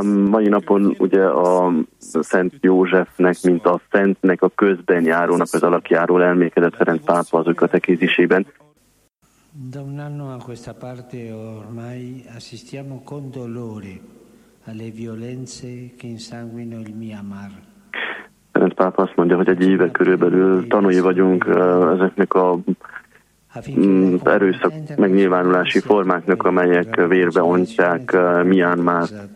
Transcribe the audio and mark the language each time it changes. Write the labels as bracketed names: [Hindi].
[Hungarian] Mai napon ugye a Szent Józsefnek, mint a Szentnek a közben járónak az alakjáról emlékezett Ferenc pápa az ő katekézisében. [Italian] Da un anno a questa parte ormai assistiamo con dolore alle violenze che insanguinano il Myanmar. [Hungarian] Ferenc pápa azt mondja, hogy egy éve körülbelül tanúi vagyunk ezeknek az erőszak megnyilvánulási formáknak, amelyek vérbe ontják Myanmar.